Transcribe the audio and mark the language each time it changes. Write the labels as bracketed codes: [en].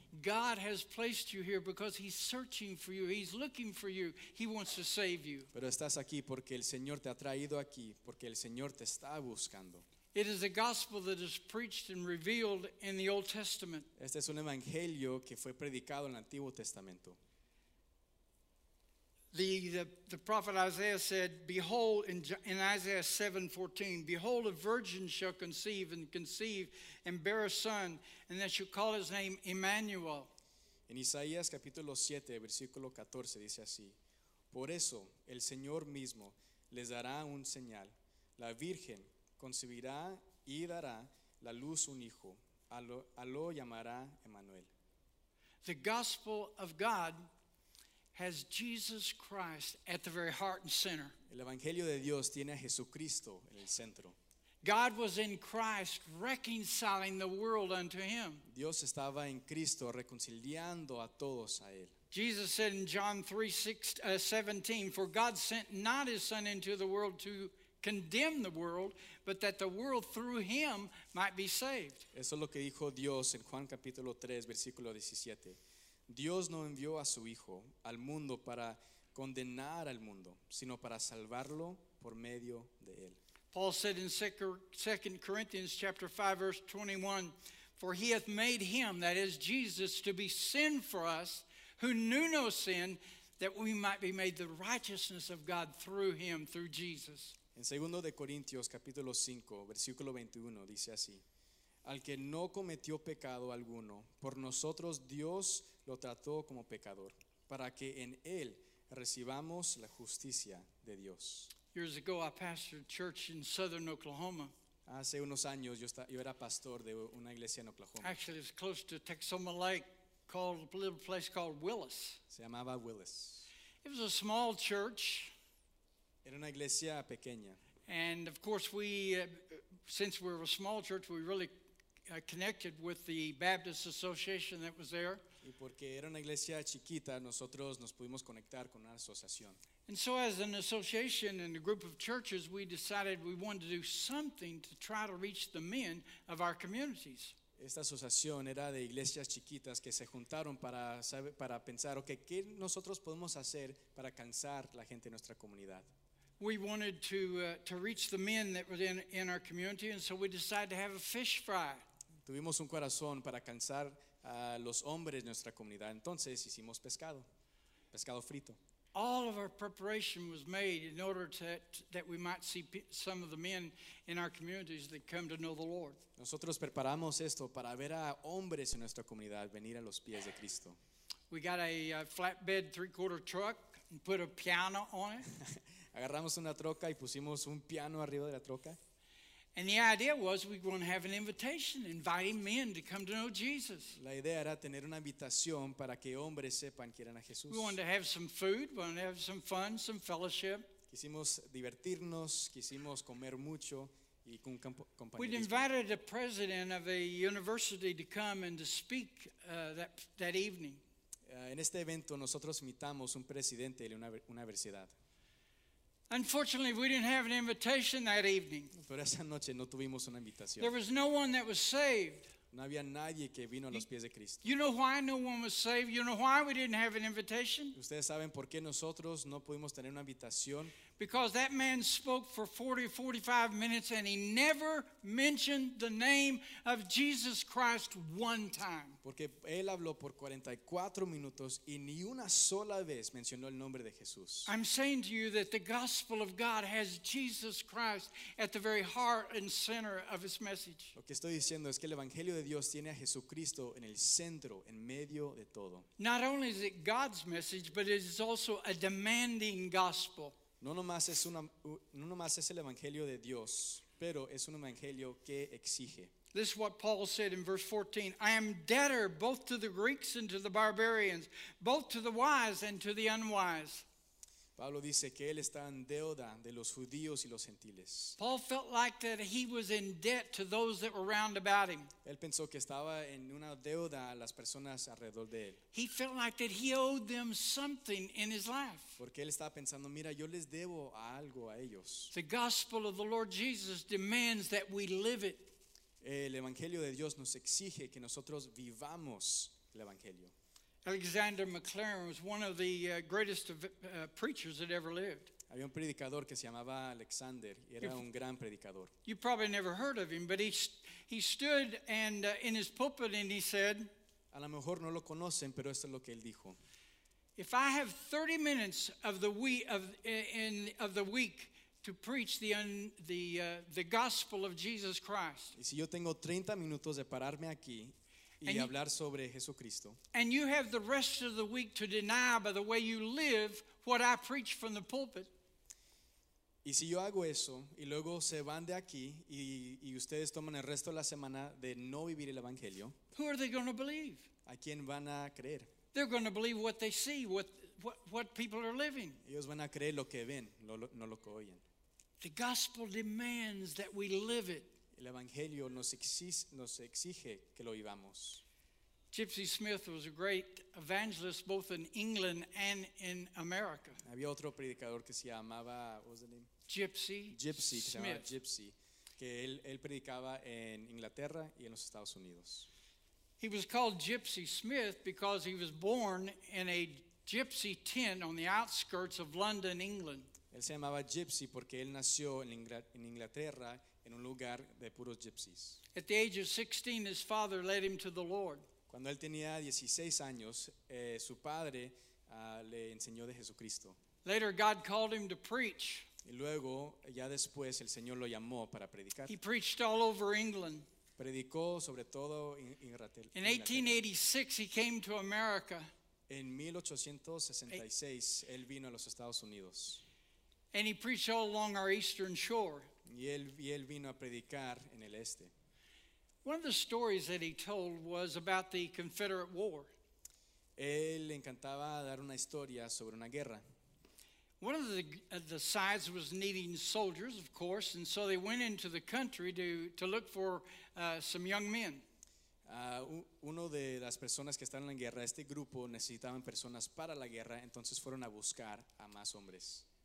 [en] God has placed you here because he's searching for you. He's looking for you. He wants to save you. [es] Pero estás aquí porque el Señor te ha traído aquí, porque el Señor te está buscando. [en] It is a gospel that is preached and revealed in the Old Testament. [es] Este es un evangelio que fue predicado en el Antiguo Testamento. [en] The prophet Isaiah said, behold, in Isaiah 7:14, behold, a virgin shall conceive and bear a son, and they shall call his name Emmanuel. [es] En Isaías capítulo 7, versículo 14, dice así, por eso el Señor mismo les dará un señal. La virgen concebirá y dará la luz un hijo. A lo llamará Emmanuel. [en] The gospel of God has Jesus Christ at the very heart and center. [es] El evangelio de Dios tiene a Jesucristo en el centro. [en] God was in Christ reconciling the world unto him. [es] Dios estaba en Cristo reconciliando a todos a él. [en] Jesus said in John 3:17, for God sent not his son into the world to condemn the world, but that the world through him might be saved. [es] Eso es lo que dijo Dios en Juan capítulo 3 versículo 17. Dios no envió a su Hijo al mundo para condenar al mundo, sino para salvarlo por medio de él. [en] Paul said in 2 Corinthians chapter 5, verse 21, for he hath made him, that is Jesus, to be sin for us, who knew no sin, that we might be made the righteousness of God through him, through Jesus. [es] En 2 Corintios capítulo 5, versículo 21, dice así, al que no cometió pecado alguno, por nosotros Dios lo trató como pecador, para que en él recibamos la justicia de Dios. [en] Years ago, I pastored a church in southern Oklahoma. [es] Hace unos años, yo era pastor de una iglesia en Oklahoma. [en] Actually, it's close to Texoma Lake, called a little place called Willis. [es] Se llamaba Willis. [en] It was a small church. [es] Era una iglesia pequeña. [en] And of course, since we're a small church, we really connected with the Baptist Association that was there. [es] Y porque era una iglesia chiquita, nosotros nos pudimos conectar con una asociación. [en] And so as an association and a group of churches, we decided we wanted to do something to try to reach the men of our communities. [es] Esta asociación era de iglesias chiquitas que se juntaron para pensar, okay, ¿qué nosotros podemos hacer para alcanzar la gente de nuestra comunidad? [en] We wanted to reach the men that were in our community, and so we decided to have a fish fry. [es] Tuvimos un corazón para alcanzar a los hombres de nuestra comunidad. Entonces hicimos pescado frito. [en] All of our preparation was made in order that we might see some of the men in our communities that come to know the Lord. [es] Nosotros preparamos esto para ver a hombres en nuestra comunidad venir a los pies de Cristo. [en] We got a flatbed three-quarter truck and put a piano on it. [es] Agarramos una troca y pusimos un piano arriba de la troca. [en] And the idea was we were going to have an invitation, inviting men to come to know Jesus. [es] La idea era tener una invitación para que hombres sepan que eran a Jesús. [en] We wanted to have some food, we wanted to have some fun, some fellowship. [es] Quisimos divertirnos, quisimos comer mucho y con compañía. [en] We'd invited the president of a university to come and to speak that evening. [es] En este evento nosotros invitamos un presidente de una universidad. [en] Unfortunately, we didn't have an invitation that evening. [es] Pero esa noche no tuvimos una invitación. [en] There was no one that was saved. [es] No había nadie que vino a los pies de Cristo. [en] You know why no one was saved? You know why we didn't have an invitation? [es] ¿Ustedes saben por qué nosotros no pudimos tener una invitación? [en] Because that man spoke for 40-45 minutes and he never mentioned the name of Jesus Christ one time. [es] Porque él habló por 44 minutos y ni una sola vez mencionó el nombre de Jesús. [en] I'm saying to you that the gospel of God has Jesus Christ at the very heart and center of his message. [es] Lo que estoy diciendo es que el evangelio de Dios tiene a Jesucristo en el centro, en medio de todo. [en] Not only is it God's message, but it is also a demanding gospel. [es] No nomás es el evangelio de Dios, pero es un evangelio que exige. [en] This is what Paul said in verse 14. I am debtor both to the Greeks and to the barbarians, both to the wise and to the unwise. [es] Pablo dice que él está en deuda de los judíos y los gentiles. [en] Paul felt like that he was in debt to those that were round about him. [es] Él pensó que estaba en una deuda a las personas alrededor de él. [en] He felt like that he owed them something in his life. [es] Porque él estaba pensando, mira, yo les debo algo a ellos. [en] The gospel of the Lord Jesus demands that we live it. [es] El evangelio de Dios nos exige que nosotros vivamos el evangelio. [en] Alexander McLaren was one of the greatest preachers that ever lived. [es] Había un predicador que se llamaba Alexander y era un gran predicador. [en] You probably never heard of him, but he stood and in his pulpit and he said, [es] a lo mejor no lo conocen, pero esto es lo que él dijo. [en] If I have 30 minutes of the week of the week to preach the gospel of Jesus Christ. [es] Y si yo tengo 30 minutos de pararme aquí y hablar sobre Jesucristo. [en] And you have the rest of the week to deny by the way you live what I preach from the pulpit. [es] Y si yo hago eso y luego se van de aquí y ustedes toman el resto de la semana de no vivir el evangelio. [en] Who are they going to believe? [es] ¿A quién van a creer? [en] They're going to believe what they see, what people are living. [es] Ellos van a creer lo que ven, no lo que oyen. [en] The gospel demands that we live it. [es] El evangelio nos exige que lo vivamos. [en] Gypsy Smith was a great evangelist both in England and in America. [es] Había otro predicador que se llamaba, [en] what was the name? Gypsy Smith. [es] Se llamaba Gypsy, que él predicaba en Inglaterra y en los Estados Unidos. [en] He was called Gypsy Smith because he was born in a gypsy tent on the outskirts of London, England. [es] Él se llamaba Gypsy porque él nació en Inglaterra en un lugar de puros gypsies. [en] At the age of 16, his father led him to the Lord. [es] Cuando él tenía 16 años, su padre le enseñó de Jesucristo. [en] Later, God called him to preach. [es] Y luego, ya después, el Señor lo llamó para predicar. [en] He preached all over England. [es] Predicó sobre todo en Inglaterra. [en] In 1886, he came to America. [es] En 1866, él vino a los Estados Unidos. [en] And he preached all along our eastern shore. [es] Y él vino a predicar en el este. [en] One of the stories that he told was about the Confederate War. [es] Él encantaba dar una historia sobre una guerra. [en] One of the sides was needing soldiers, of course, and so they went into the country to look for some young men. [es] Uno de las personas que estaban en la guerra, este grupo necesitaban personas para la guerra, entonces fueron a buscar a más hombres.